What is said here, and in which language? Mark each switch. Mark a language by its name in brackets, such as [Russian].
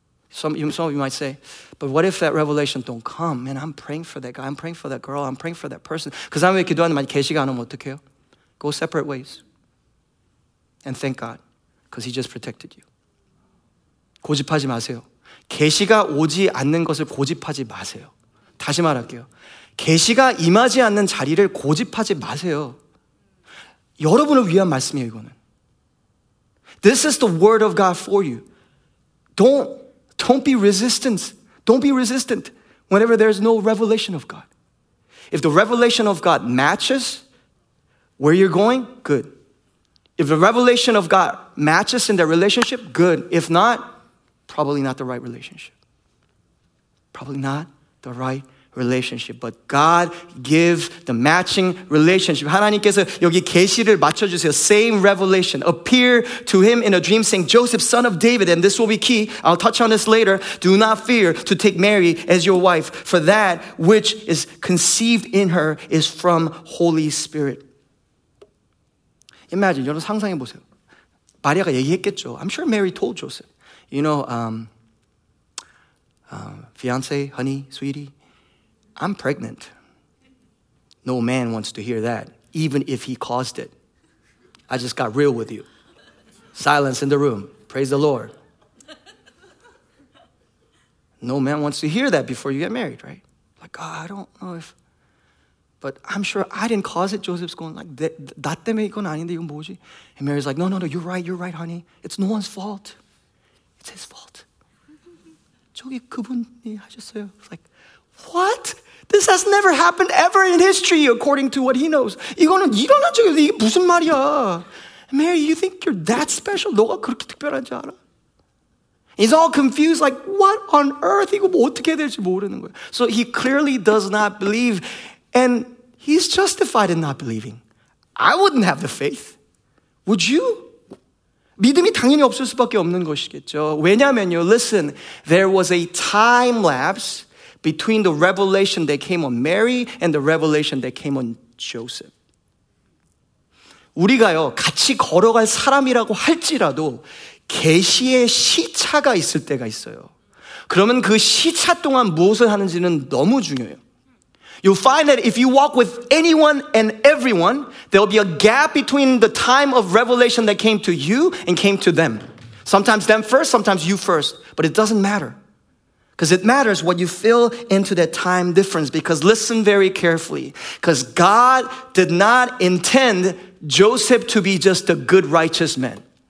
[English] Some of you might say, but what if that revelation don't come? Man, I'm praying for that guy. I'm praying for that girl. I'm praying for that person. [Korean] 그 사람이 기도하는데 만약 계시가 안 오면 어떡해요? [English] Go separate ways. And thank God. Because he just protected you. [Korean] 고집하지 마세요. 계시가 오지 않는 것을 고집하지 마세요. 다시 말할게요. 계시가 임하지 않는 자리를 고집하지 마세요. 여러분을 위한 말씀이에요, 이거는. [English] This is the word of God for you. Don't be resistant. Don't be resistant whenever there's no revelation of God. If the revelation of God matches where you're going, good. If the revelation of God matches in that relationship, good. If not, probably not the right relationship. Probably not the right relationship, but God gives the matching relationship. [Korean] 하나님께서 여기 계시를 맞춰주세요. [English] Same revelation. Appear to him in a dream saying, Joseph, son of David, and this will be key. I'll touch on this later. Do not fear to take Mary as your wife, for that which is conceived in her is from Holy Spirit. Imagine, [Korean] 여러분 상상해 보세요. 마리아가 얘기했겠죠. [English] I'm sure Mary told Joseph. You know, fiance, honey, sweetie, I'm pregnant. No man wants to hear that, even if he caused it. I just got real with you. Silence in the room. Praise the Lord. No man wants to hear that before you get married, right? Like, oh, I don't know if... But I'm sure I didn't cause it. Joseph's going like, [Korean] 나 때문에 이건 아닌데 이건 뭐지? [English] And Mary's like, no, you're right, honey. It's no one's fault. It's his fault. [Korean] 저기 그분이 하셨어요. [English] It's like, what? This has never happened ever in history, according to what he knows. [Korean] 이거는 일어난 적이 없어. 이게 무슨 말이야? [English] Mary, you think you're that special? [Korean] 너가 그렇게 특별한 줄 알아? [English] He's all confused, like, what on earth? [Korean] 이거 뭐 어떻게 될지 모르는 거야. [English] So he clearly does not believe, and he's justified in not believing. I wouldn't have the faith. Would you? [Korean] 믿음이 당연히 없을 수밖에 없는 것이겠죠. 왜냐면요, [English] listen, there was a time lapse between the revelation that came on Mary and the revelation that came on Joseph. [Korean] 우리가요, 같이 걸어갈 사람이라고 할지라도 계시의 시차가 있을 때가 있어요. 그러면 그 시차 동안 무엇을 하는지는 너무 중요해요. [English] You'll find that if you walk with anyone and everyone, there'll be a gap between the time of revelation that came to you and came to them. Sometimes them first, sometimes you first. But it doesn't matter. Because it matters what you fill into that time difference. Because listen very carefully. Because God did not intend Joseph to be just a good, righteous man.